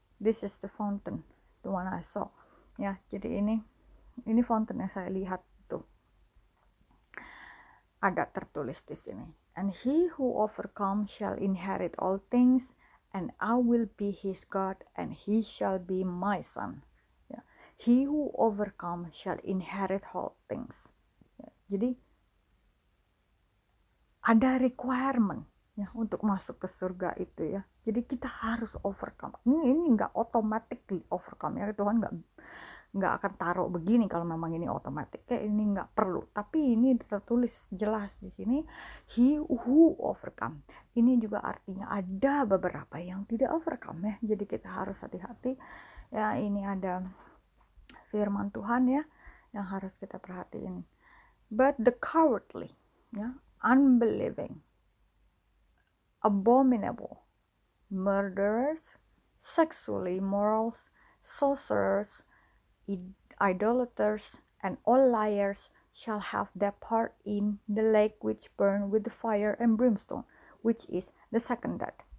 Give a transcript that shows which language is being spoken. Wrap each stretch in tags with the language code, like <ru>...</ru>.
<en>This is the fountain. The one I saw.</en> <id>Ya, jadi ini fountain yang saya lihat tuh. Ada tertulis di sini.</id> <en>And he who overcome shall inherit all things, and I will be his God, and he shall be my son. Ya. He who overcome shall inherit all things. Ya.</en> <id>Jadi ada requirement ya untuk masuk ke surga itu ya. Jadi kita harus overcome. Ini enggak automatically overcome ya. Tuhan enggak akan taruh begini kalau memang ini otomatis. Ya, ini enggak perlu. Tapi ini tertulis jelas di sini,</id> <en>he who overcome.</en> <id>Ini juga artinya ada beberapa yang tidak overcome ya. Jadi kita harus hati-hati. Ya, ini ada firman Tuhan ya yang harus kita perhatiin.</id> <en>But the cowardly, ya, unbelieving, abominable, murderers, sexually immoral, sorcerers, idolaters, and all liars shall have their part in the lake which burn with the fire and brimstone, which is the second death.</en>